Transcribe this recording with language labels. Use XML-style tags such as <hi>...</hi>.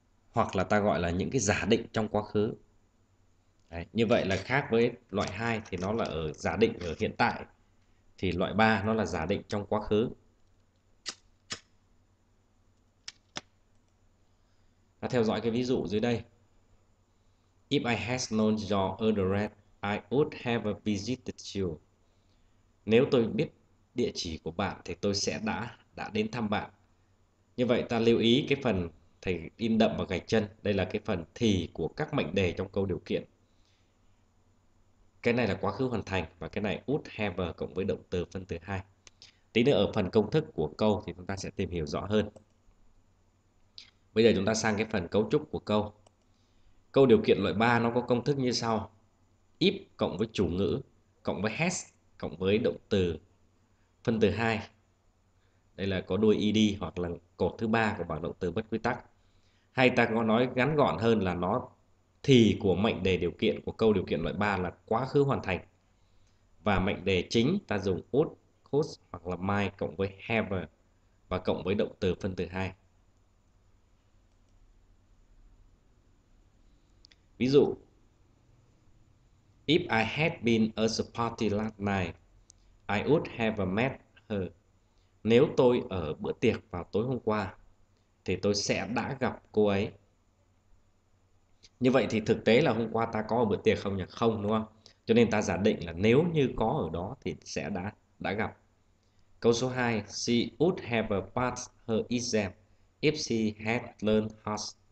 <vi>Hoặc là ta gọi là những cái giả định trong quá khứ. Đấy, như vậy là khác với loại 2 thì nó là ở giả định ở hiện tại. Thì loại 3 nó là giả định trong quá khứ. Ta theo dõi cái ví dụ dưới đây.</vi> <en>If I had known your address, I would have visited you.</en> <vi>Nếu tôi biết địa chỉ của bạn thì tôi sẽ đã đến thăm bạn. Như vậy ta lưu ý cái phần thầy in đậm vào gạch chân. Đây là cái phần thì của các mệnh đề trong câu điều kiện. Cái này là quá khứ hoàn thành và cái này</vi> <en>would have</en> <vi>cộng với động từ phân từ hai. Tí nữa ở phần công thức của câu thì chúng ta sẽ tìm hiểu rõ hơn. Bây giờ chúng ta sang cái phần cấu trúc của câu. Câu điều kiện loại 3 nó có công thức như sau. If cộng với chủ ngữ cộng với has cộng với động từ phân từ hai. Đây là có đuôi ed hoặc là cột thứ ba của bảng động từ bất quy tắc. Hay ta có nói ngắn gọn hơn là nó thì của mệnh đề điều kiện của câu điều kiện loại 3 là quá khứ hoàn thành. Và mệnh đề chính ta dùng would, could hoặc là might cộng với have và cộng với động từ phân từ hai. Ví dụ,</vi> <en>if I had been at the party last night, I would have met her.</en> <vi>Nếu tôi ở bữa tiệc vào tối hôm qua, thì tôi sẽ đã gặp cô ấy. Như vậy thì thực tế là hôm qua ta có ở bữa tiệc không nhỉ? Không, đúng không? Cho nên ta giả định là nếu như có ở đó thì sẽ đã gặp. Câu số 2,</vi> <en>she would have passed her exam if she had learned hard.</en>